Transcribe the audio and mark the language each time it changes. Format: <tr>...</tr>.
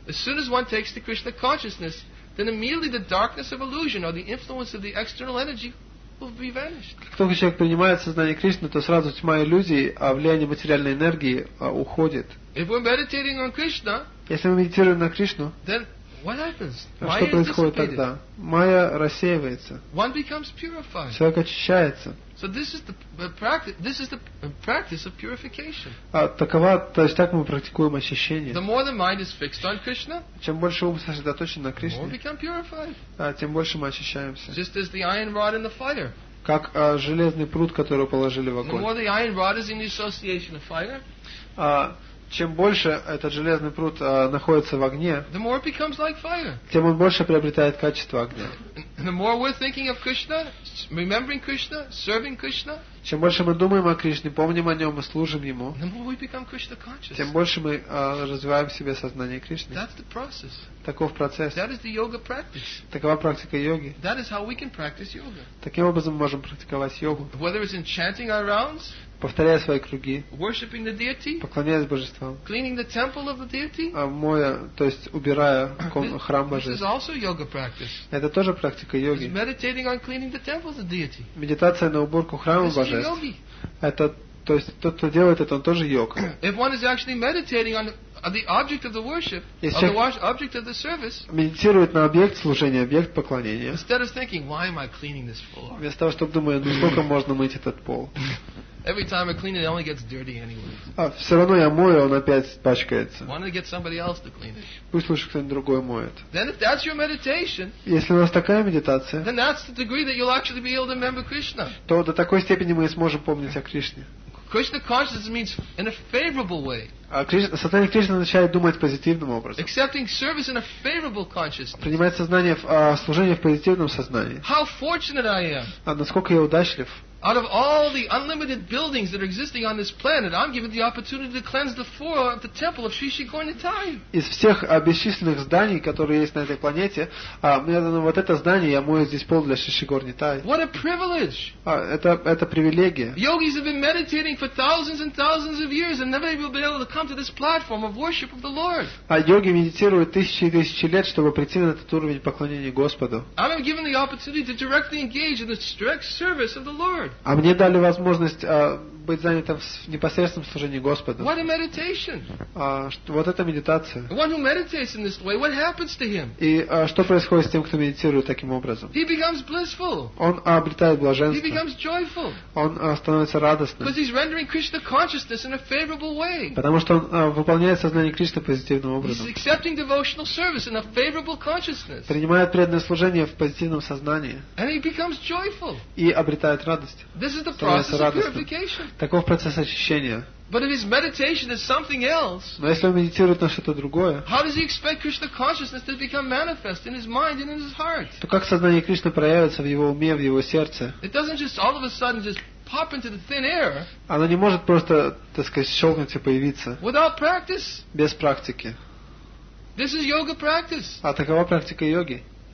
<en>As soon as one takes the Krishna consciousness, then immediately the darkness of illusion or the influence of the external energy.</en> <ru>Как только человек принимает сознание Кришны, то сразу тьма иллюзий, а влияние материальной энергии уходит. Если мы медитируем на Кришну, что происходит тогда? Майя рассеивается. Человек очищается.</ru> <en>So this is the practice of purification.</en> <ru>Такова, то есть так мы практикуем очищение.</ru> <en>The more the mind is fixed on Krishna,</en> <ru>чем больше ум сосредоточен на Кришне,</ru> <en>the more we become purified.</en> <ru>Тем больше мы очищаемся.</ru> <en>Just as the iron rod in the fire.</en> <ru>Как железный прут, который положили в огонь.</ru> <en>The more the iron rod is in the association of fire,</en> <ru>чем больше этот железный прут находится в огне,</ru> <en>the more it becomes like fire.</en> <ru>Тем он больше приобретает качество огня.</ru> <en>The more we're thinking of Krishna, remembering Krishna, serving Krishna,</en> <ru>чем больше мы думаем о Кришне, помним о нем и служим ему,</ru> <en>the more we become Krishna conscious.</en> <ru>Тем больше мы развиваем в себе сознание Кришны.</ru> <en>That's the process.</en> <ru>Таков процесс.</ru> <en>That is the yoga practice.</en> <ru>Такова практика йоги.</ru> <en>That is how we can practice yoga.</en> <ru>Таким образом мы можем практиковать йогу.</ru> <en>Whether it's in chanting our rounds,</en> <ru>повторяя свои круги,</ru> <en>worshiping the deity,</en> <ru>поклоняясь божествам,</ru> <en>cleaning the temple of the deity,</en> <ru>моя, то есть убирая храм божеств.</ru> <en>This is also yoga practice.</en> <ru>Это тоже практика йоги.</ru> <en>It's meditating on cleaning the temple of the deity.</en> <ru>Медитация на уборку храма божеств.</ru> <en>This is yogi.</en> <ru>Это, то есть тот, кто делает это, он тоже йог.</ru> <en>If one is actually meditating on the object of the worship,</en> <ru>если</ru> <en>or the object of the service,</en> <ru>медитирует на объект служения, объект поклонения,</ru> <en>instead of thinking, why am I cleaning this floor?</en> <ru>Вместо того, чтобы думать, ну сколько можно мыть этот пол?</ru> <en>Every time I clean it, it only gets dirty anyway.</en> <ru>Все равно я мою, он опять пачкается.</ru> <en>Why don't I get somebody else to clean it?</en> <ru>Пусть лучше кто-нибудь другой моет.</ru> <en>Then if that's your meditation,</en> <ru>если у нас такая медитация,</ru> <en>then that's the degree that you'll actually be able to remember Krishna.</en> <ru>То до такой степени мы сможем помнить о Кришне.</ru> <en>Krishna consciousness means in a favorable way.</en> <ru>Сознание Кришны означает думать позитивным образом.</ru> <en>Accepting service in a favorable consciousness.</en> <ru>Принимать сознание в служение в позитивном сознании.</ru> <en>How fortunate I am.</en> <ru>Насколько я удачлив.</ru> <en>Out of all the unlimited buildings that are existing on this planet, I'm given the opportunity to cleanse the floor of the temple of Sri Shikornatai.</en> <ru>Из всех бесчисленных зданий, которые есть на этой планете, мне дано вот это здание, я мою здесь пол для Шри Шикорнитай.</ru> <en>What a privilege!</en> <ru>Это привилегия.</ru> <en>Yogis have been meditating for thousands and thousands of years and never will be able to come to this platform of worship of the Lord.</en> <ru>А йоги медитируют тысячи и тысячи лет, чтобы прийти на этот уровень поклонения Господу.</ru> <en>I'm given the opportunity to directly engage in the direct service of the Lord.</en> <ru>А мне дали возможность быть занятым в непосредственном служении Господу.</ru> <en>What a meditation!</en> <ru>Вот это медитация.</ru> <en>One who meditates in this way, what happens to him?</en> <ru>И что происходит с тем, кто медитирует таким образом?</ru> <en>He becomes blissful.</en> <ru>Он обретает блаженство.</ru> <en>He becomes joyful.</en> <ru>Он становится радостным.</ru> <en>Because he's rendering Krishna consciousness in a favorable way.</en> <ru>Потому что он выполняет сознание Кришны позитивным образом.</ru> <en>He's accepting devotional service in a favorable consciousness.</en> <ru>Принимает преданное служение в позитивном сознании.</ru> <en>And he becomes joyful.</en> <ru>И обретает радость.</ru> <en>This is the process of purification.</en> <ru>Таков процесс очищения.</ru> <en>But if his meditation is something else,</en> <ru>но если он медитирует на что-то другое,</ru> <en>how does he expect Krishna consciousness to become manifest in his mind and in his heart?</en> <ru>То как сознание Кришны проявится в его уме, в его сердце?</ru> <en>It doesn't just all of a sudden just pop into the thin air.</en> <ru>Оно не может просто, так сказать, щелкнуть и появиться.</ru> <en>Without practice.</en> <ru>Без практики.</ru> <en>This is yoga practice.</en> <ru>А такова практика йоги.</ru>